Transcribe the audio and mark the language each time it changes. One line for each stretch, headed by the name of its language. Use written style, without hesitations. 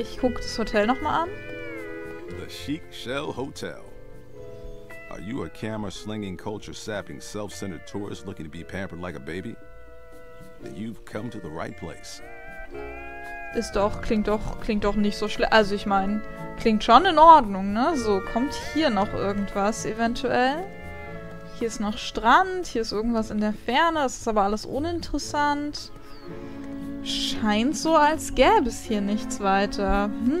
German: Ich gucke das Hotel nochmal an.
English: The Chic Shell Hotel. Are you a camera-slinging, culture-sapping, self-centered tourist looking to be pampered like a baby? Then you've come to the right place.
German: Ist doch, klingt doch nicht so schlecht. Also ich meine, klingt schon in Ordnung, ne? So, kommt hier noch irgendwas eventuell? Hier ist noch Strand, hier ist irgendwas in der Ferne, das ist aber alles uninteressant. Scheint so, als gäbe es hier nichts weiter.